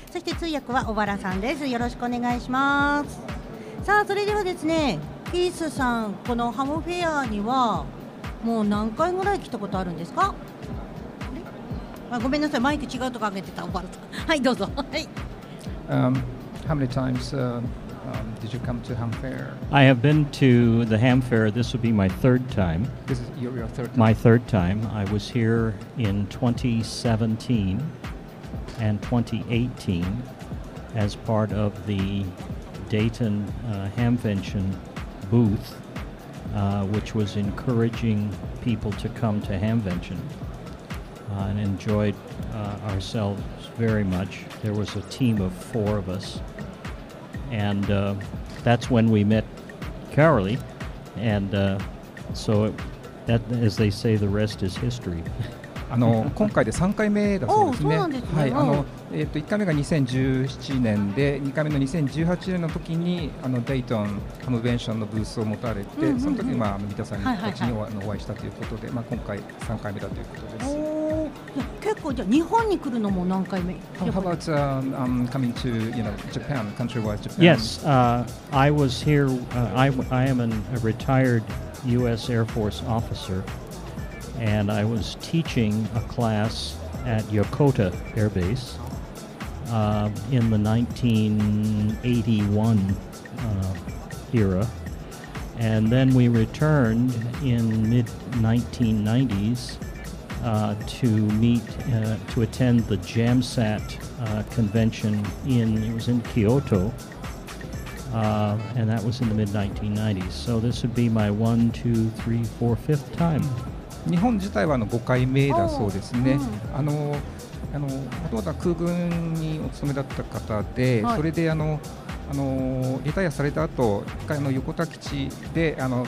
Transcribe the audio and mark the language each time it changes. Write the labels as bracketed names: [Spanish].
[Japanese] そして通訳は小原さんです。よろしくお願いします。さあ、それではですね、キースさん、このハムフェアにはもう何回ぐらい来たことあるんですか？あ、ごめんなさい、マイク違うとか上げてた。はい、どうぞ。はい。 [English] How many times did you come to Ham Fair? I have been to the Ham Fair. This will be my third time. This is your third time? My third time. I was here in 2017 and 2018 as part of the Dayton Hamvention booth. Which was encouraging people to come to Hamvention and enjoyed ourselves very much. There was a team of four of us, and that's when we met Carolee, and so it, that, as they say, the rest is history. [Japanese] 今回で3回目だそうですね。はい、 1回目が2017年で、2回目の2018年の時にデイトンハムベンションのブースを持たれて、うんうんうん、その時に、まあ、三田さんたちにお会いしたということで、はいはいはい、まあ、今回3回目だということです。結構じゃあ日本に来るのも何回目？ [English] How about coming to, you know, Japan, countrywide Japan? Yes, I was here, I am a retired U.S. Air Force officerAnd I was teaching a class at Yokota Air Base in the 1981 era. And then we returned in mid-1990s to meet, to attend the JAMSAT convention in, it was in Kyoto, and that was in the mid-1990s. So this would be my 1, 2, 3, 4, 5th time. [Japanese] 日本自体は5回目だそうですね。もともとは空軍にお勤めだった方で、はい、それでリタイアされた後、一回横田基地で